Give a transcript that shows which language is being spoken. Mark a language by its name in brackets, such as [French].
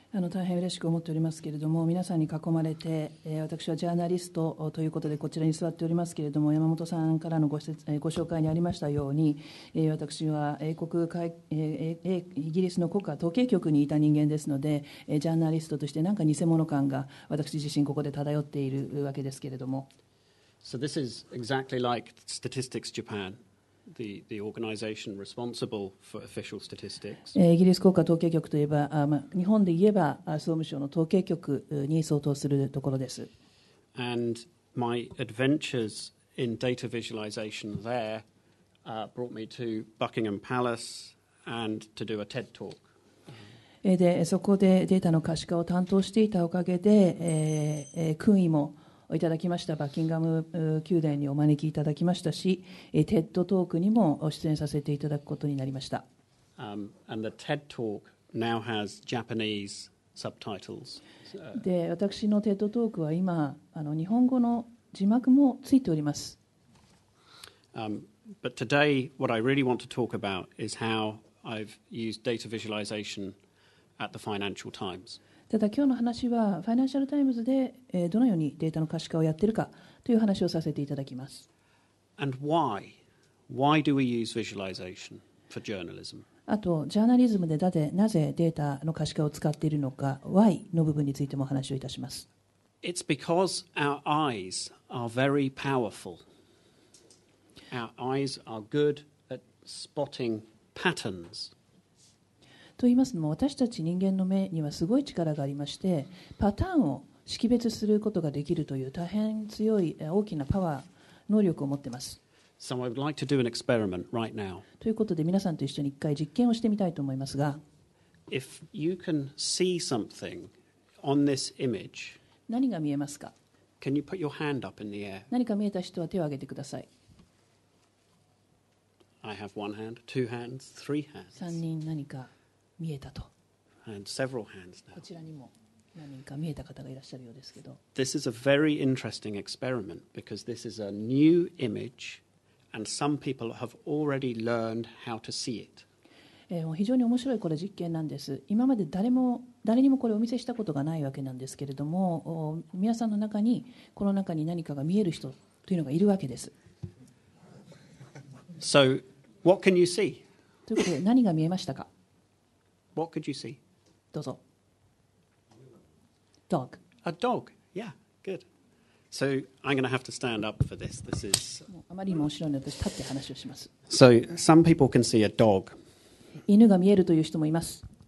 [Japanese] 大変嬉しく思っておりますけれども、皆さんに囲まれて、私はジャーナリストということでこちらに座っておりますけれども、山本さんからのご紹介にありましたように、私は イギリスの国家統計局にいた人間ですので、ジャーナリストとしてなんか偽物感が私自身ここで漂っているわけですけれども。 [English] So this is exactly like Statistics Japan. The organization responsible for official statistics. [Japanese] イギリス国家統計局といえば、日本で言えば総務省の統計局に相当するところです。 [English] And my adventures in data visualization there brought me to Buckingham Palace and to do a TED talk. [Japanese] で、そこでデータの可視化を担当していたおかげで、勲位もいただきました。バッキンガム宮殿にお招きいただきましたし、テッドトークにも出演させていただくことになりました。 [English] And the TED talk now has Japanese subtitles. [Japanese] で、私のテッドトークは今日本語の字幕もついております。 [English] But today, what I really want to talk about is how I've used data visualization at the Financial Times. [Japanese] ただ今日の話はファイナンシャルタイムズでどのようにデータの可視化をやっているかという話をさせていただきます。 [English] And why? Why do we use visualization for journalism? [Japanese] あとジャーナリズムでだってなぜデータの可視化を使っているのか、 why の部分についてもお話をいたします。 [English] It's because our eyes are very powerful. Our eyes are good at spotting patterns [Japanese] と言いますのも、私たち人間の目にはすごい力がありまして、パターンを識別することができるという大変強い大きなパワー能力を持っています。 [English] So I would like to do an experiment right now. [Japanese] ということで皆さんと一緒に一回実験をしてみたいと思いますが、 [English] If you can see something on this image, [Japanese] 何が見えますか。 [English] Can you put your hand up in the air? [Japanese] 何か見えた人は手を挙げてください。 [English] I have one hand, two hands, three hands. [Japanese] 3人何か見えたと。 [English] And several hands now. [Japanese] こちらにも何人か見えた方がいらっしゃるようですけど。 [English] This is a very interesting experiment because this is a new image and some people have already learned how to see it. [Japanese] 非常に面白いこれ実験なんです。今まで誰にもこれをお見せしたことがないわけなんですけれども、皆さんの中にこの中に何かが見える人というのがいるわけです。 [English] So, what can you see? [Japanese] ということで何が見えましたか? [English] What could you see? [Japanese] どうぞ。 [English] Dog. A dog. Yeah, good. So, I'm going to have to stand up for this. This is... [Japanese] あまりにも面白いので私立って話をします。 [English] So, some people can see a dog. [Japanese] 犬が見えるという人もいます。